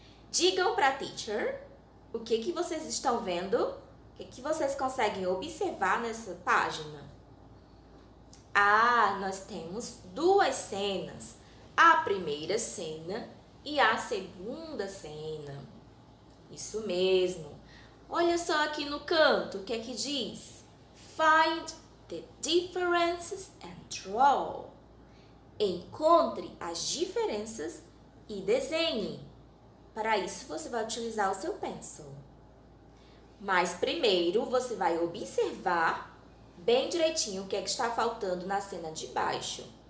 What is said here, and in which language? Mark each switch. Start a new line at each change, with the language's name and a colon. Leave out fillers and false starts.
Portuguese: Digam para a teacher o que que vocês estão vendo, o que que vocês conseguem observar nessa página. Ah, nós temos duas cenas. A primeira cena e a segunda cena. Isso mesmo. Olha só aqui no canto, o que é que diz?
English: Find the differences and draw.
Portuguese: Encontre as diferenças e desenhe. Para isso, você vai utilizar o seu pencil. Mas primeiro, você vai observar bem direitinho o que é que está faltando na cena de baixo.